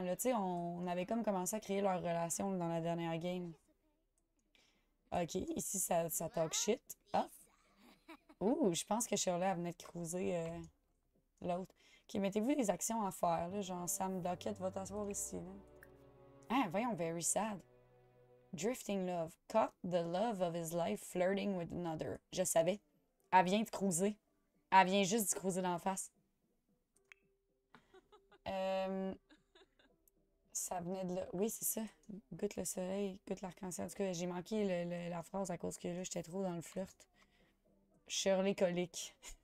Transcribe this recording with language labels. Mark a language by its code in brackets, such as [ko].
[fr] Là, tu sais, on avait comme commencé à créer leur relation dans la dernière game. OK, ici, ça [en] talk shit. [fr] Ah! Ouh, je pense que Shirley, elle venait de cruiser l'autre. OK, mettez-vous des actions à faire, là. Genre, Sam Duckett va t'asseoir ici, là. Ah, voyons, [en] very sad. Drifting love. Caught the love of his life flirting with another. [fr] Je savais. Elle vient de cruiser. Elle vient juste de cruiser d'en face. Ça venait de là. Oui, c'est ça. Goûte le soleil, goûte l'arc-en-ciel. En tout cas, j'ai manqué la phrase à cause que là, j'étais trop dans le flirt. Shirley colique.